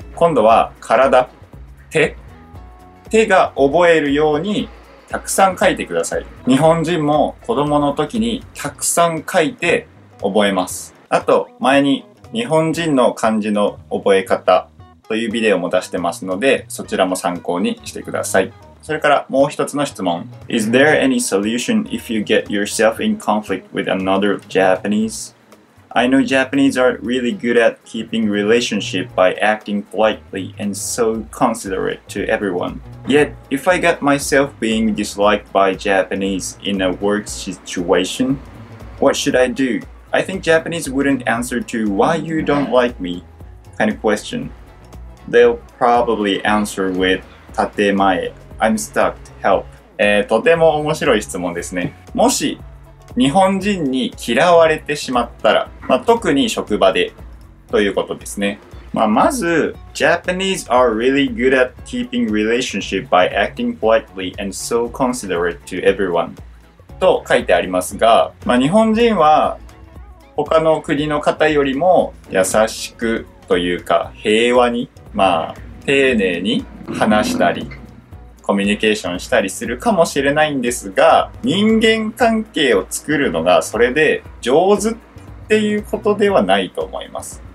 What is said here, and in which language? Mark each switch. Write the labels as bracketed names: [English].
[Japanese] 今度は体、手が覚えるようにたくさん書いてください。日本人も子供の時にたくさん書いて覚えます。あと、前に日本人の漢字の覚え方というビデオも出してますので、そちらも参考にしてください。それからもう一つの質問。 [English] Is there any solution if you get yourself in conflict with another Japanese? I know Japanese are really good at keeping relationship by acting politely and so considerate to everyone. Yet, if I get myself being disliked by Japanese in a work situation, what should I do? I think Japanese wouldn't answer to why you don't like me kind of question. They'll probably answer with 建前。I'm stuck. Help. [Japanese] とても面白い質問ですね。もし日本人に嫌われてしまったら、まあ、特に職場でということですね。 [English] まあ、まず、Japanese are really good at keeping relationship by acting politely and so considerate to everyone. [Japanese] と書いてありますが、まあ、日本人は他の国の方よりも優しくというか平和に、まあ、丁寧に話したり、コミュニケーションしたりするかもしれないんですが、人間関係を作るのがそれで上手っていうことではないと思います。